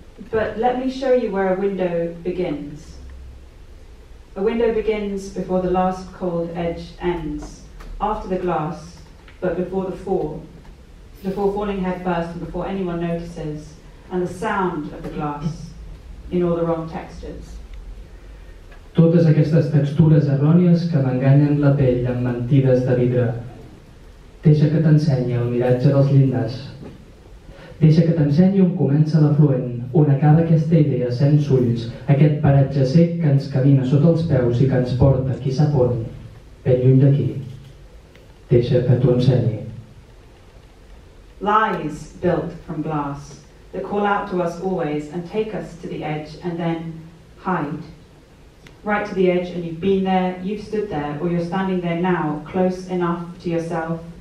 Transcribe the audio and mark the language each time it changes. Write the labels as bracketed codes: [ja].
[en] But let me show you where a window begins. A window begins before the last cold edge ends, after the glass, but before the fall, before falling head first and before anyone notices, and the sound of the glass in all the wrong textures. [ca] Totes aquestes textures errònies que m'enganyen la pell amb mentides de vidre. Deixa que t'ensenyi el miratge dels llindars. Deixa que t'ensenyi on comença l'afluent, on acaba aquesta idea sense ulls, aquest paratge sec que ens camina sota els peus i que ens porta qui sap on, ben lluny d'aquí. Deixa que t'ho ensenyi. [en] Lies built from glass that call out to us always and take us to the edge and then hide. Right to the edge and you've been there, you've stood there, or you're standing there now, close enough to yourself.